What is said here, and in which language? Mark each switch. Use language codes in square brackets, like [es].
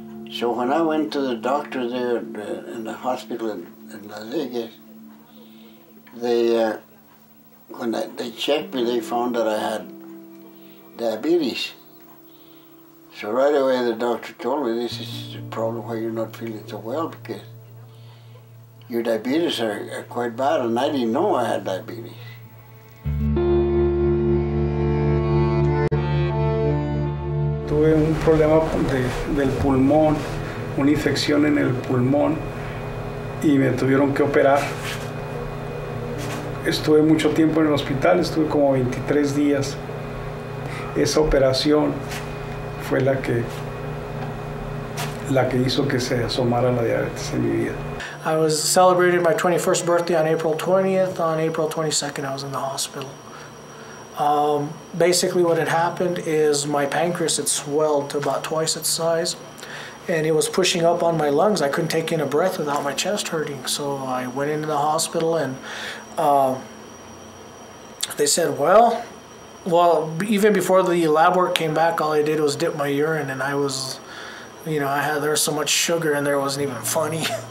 [en] So when I went to the doctor there in the hospital in Las Vegas, they checked me, they found that I had diabetes. So right away the doctor told me, this is a problem why you're not feeling so well, because your diabetes are quite bad, and I didn't know I had diabetes. [es] Tuve un problema del pulmón, una infección en el pulmón, y me tuvieron que operar. Estuve mucho tiempo en el hospital, estuve como 23 días. Esa operación fue la que hizo que se asomara la diabetes en mi vida. [en] I was celebrating my 21st birthday on April 20th. On April 22nd, I was in the hospital. Basically, what had happened is my pancreas had swelled to about twice its size, and it was pushing up on my lungs. I couldn't take in a breath without my chest hurting. So I went into the hospital, and they said, well, even before the lab work came back, all I did was dip my urine, and I was, you know, there was so much sugar in there, it wasn't even funny.